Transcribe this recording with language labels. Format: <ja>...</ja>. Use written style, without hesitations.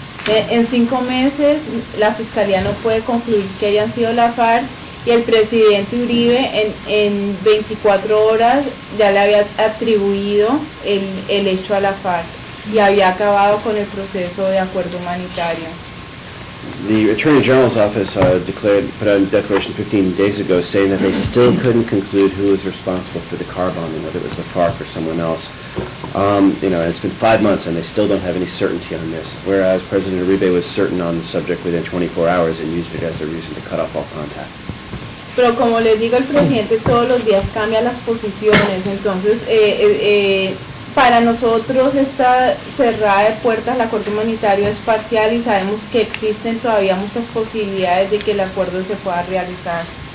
<es>En 5 meses la Fiscalía no puede concluir que hayan sido la FARC, y el presidente Uribe en 24 horas ya le había atribuido el hecho a la FARC y había acabado con el proceso de acuerdo humanitario.</es> <en>The Attorney General's office put out a declaration 15 days ago saying that they still couldn't conclude who was responsible for the car bombing, whether it was the FARC or someone else. You know, it's been 5 months and they still don't have any certainty on this, whereas President Uribe was certain on the subject within 24 hours and used it as a reason to cut off all contact.</en> <es>Pero como les digo, el presidente todos los días cambia las posiciones, entonces para nosotros esta cerrada de puertas, el acuerdo humanitario es parcial, y sabemos que existen todavía muchas posibilidades de que el acuerdo se pueda realizar.</es>